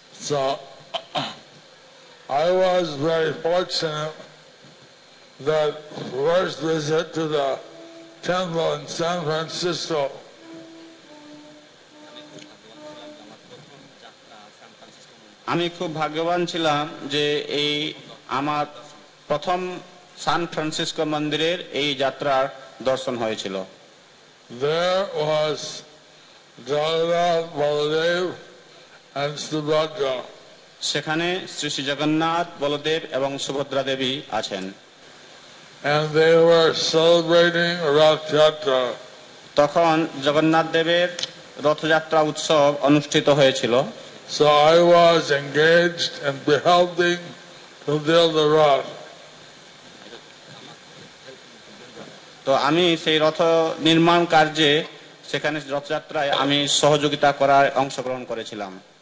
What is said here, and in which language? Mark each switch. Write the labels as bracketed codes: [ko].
[en] So I was very fortunate that first visit to the temple in San Francisco. [bn] আমি খুব ভাগ্যবান ছিলাম যে এই আমার প্রথম সান ফ্রান্সিসকো মন্দিরের এই যাত্রার দর্শন হয়েছিল। [en] There was Jagannath, Baladev and Subhadra. [bn] সেখানে শ্রী শ্রী জগন্নাথ, বলদেব এবং সুভদ্রা দেবী আছেন। [en] And they were celebrating Rath Yatra. [bn] তখন জগন্নাথ দেবের রথযাত্রা উৎসব অনুষ্ঠিত হয়েছিল। [en] So I was engaged in helping to build the rath. [bn] তো আমি সেই রথ নির্মাণ কার্যে সেখানে রথযাত্রায় আমি সহযোগিতা করার অংশগ্রহণ করেছিলাম।